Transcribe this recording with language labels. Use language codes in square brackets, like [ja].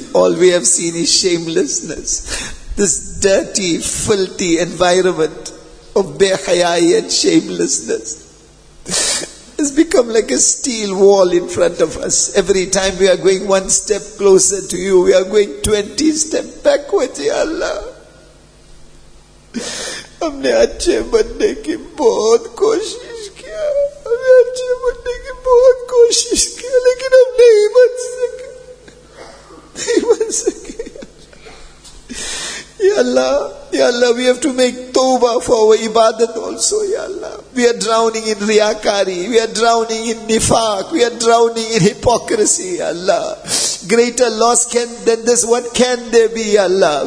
[en] All we have seen is shamelessness. This dirty, filthy environment of behayai and shamelessness has become like a steel wall in front of us. Every time we are going one step closer to you, we are going 20 steps backwards, Ya Allah. [hi] हमने अच्छे बनने की बहुत कोशिश किया, हमने अच्छे बनने की बहुत कोशिश किया, लेकिन हम नहीं बन सके, नहीं बन सके. [en] Ya Allah, we have to make tawbah for our ibadat also, Ya Allah. We are drowning in riyakari, we are drowning in nifaq, we are drowning in hypocrisy, Ya Allah. Greater loss can than this, what can there be, Ya Allah?